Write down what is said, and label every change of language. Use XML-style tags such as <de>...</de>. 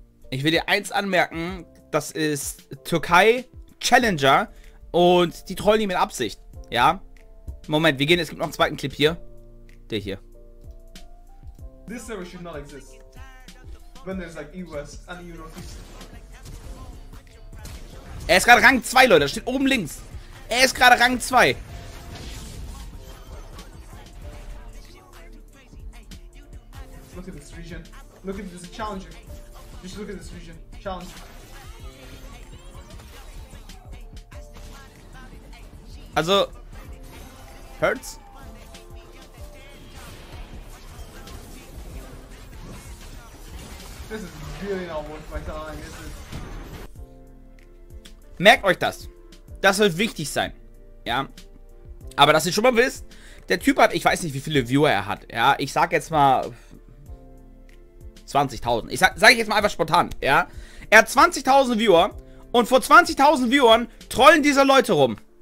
<de>Ich will dir eins anmerken, das ist Türkei Challenger und die trollen ihn mit Absicht. Ja? Moment, wir gehen, es gibt noch einen zweiten Clip hier. Der hier.</de> <en>This server should not exist. When there's like E-West and E-Northeast.</en> <de>Er ist gerade Rang 2, Leute, steht oben links. Er ist gerade Rang 2.</de> <en>Look at this region. Look at this challenger. Just look at this region. Challenge. Also, hurts? This is really not worth my time, is it?</en> <de>Merkt euch das. Das wird wichtig sein. Ja. Aber dass ihr schon mal wisst, der Typ hat, ich weiß nicht, wie viele Viewer er hat. Ja, ich sag jetzt mal 20.000. Sag ich jetzt mal einfach spontan, ja. Er hat 20.000 Viewer und vor 20.000 Viewern trollen diese Leute rum.</de>